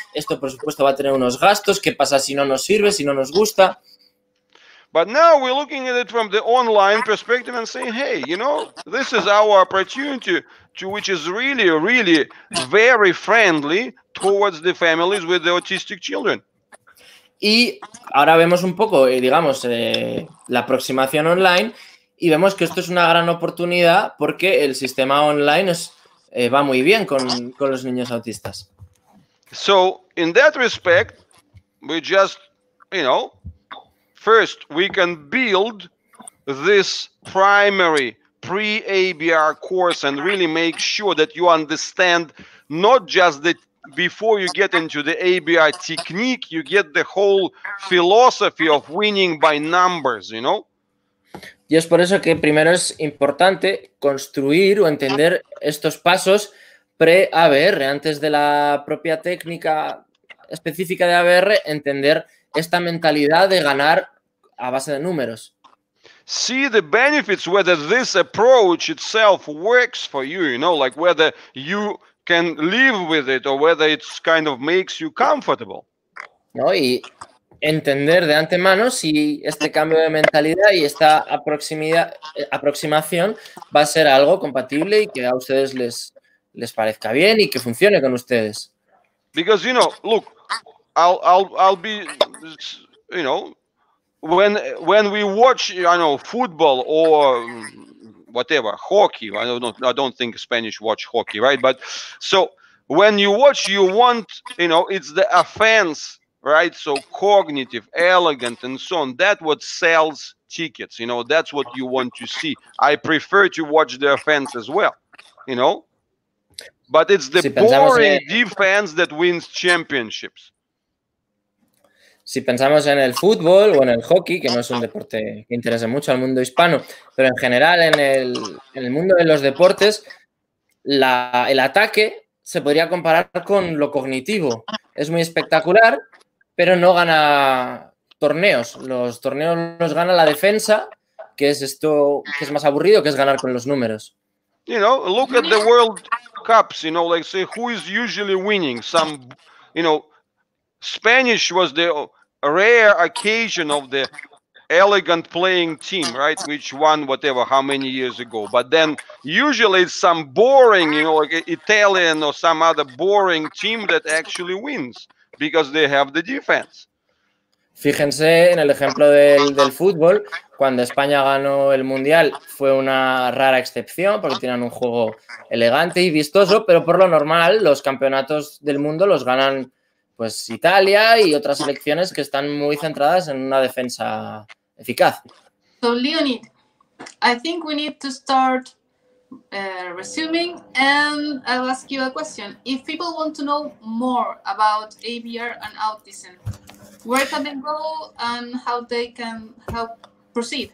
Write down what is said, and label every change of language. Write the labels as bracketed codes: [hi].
[es] Esto, por supuesto, va a tener unos gastos, ¿qué pasa si no nos sirve, si no nos gusta? [en] But now we're looking at it from the online perspective and saying, hey, you know, this is our opportunity to which is really, really very friendly towards the families with the autistic children. [es] Y ahora vemos un poco, digamos, la aproximación online y vemos que esto es una gran oportunidad porque el sistema online es, va muy bien con los niños autistas. [en] So, in that respect, we just, you know, first, we can build this primary pre-ABR course and really make sure that you understand not just the before you get into the ABR technique, you get the whole philosophy of winning by numbers, you know? [es] Y es por eso que primero es importante construir o entender estos pasos pre-ABR, antes de la propia técnica específica de ABR, entender esta mentalidad de ganar a base de números. [en] See the benefits, whether this approach itself works for you, you know, like whether you can live with it or whether it's kind of makes you comfortable. [es] No, y entender de antemano si este cambio de mentalidad y esta aproximación va a ser algo compatible y que a ustedes les parezca bien y que funcione con ustedes. [en] Because, you know, look, I'll be, you know, when we watch, I know, football or whatever, hockey, I don't think Spanish watch hockey, right? But so when you watch, you want, you know, it's the offense, right? So cognitive, elegant, and so on. That's what sells tickets, you know, that's what you want to see. I prefer to watch the offense as well, you know? But it's the boring defense that wins championships. [es] Si pensamos en el fútbol o en el hockey, que no es un deporte que interese mucho al mundo hispano, pero en general en el mundo de los deportes, el ataque se podría comparar con lo cognitivo. Es muy espectacular, pero no gana torneos. Los torneos los gana la defensa, que es esto que es más aburrido, que es ganar con los números. [en] You know, look at the World Cups, you know, like say who is usually winning. Some, you know, Spanish was the a rare occasion of the elegant playing team, right, which won whatever how many years ago, but then usually it's some boring, you know, like Italian or some other boring team that actually wins because they have the defense. [es] Fíjense en el ejemplo del fútbol, cuando España ganó el Mundial fue una rara excepción porque tenían un juego elegante y vistoso, pero por lo normal los campeonatos del mundo los ganan pues Italia y otras selecciones que están muy centradas en una defensa eficaz. [en] So Leonid, I think we need to start resuming, and I'll ask you a question. If people want to know more about ABR and autism, where can they go and how they can help proceed?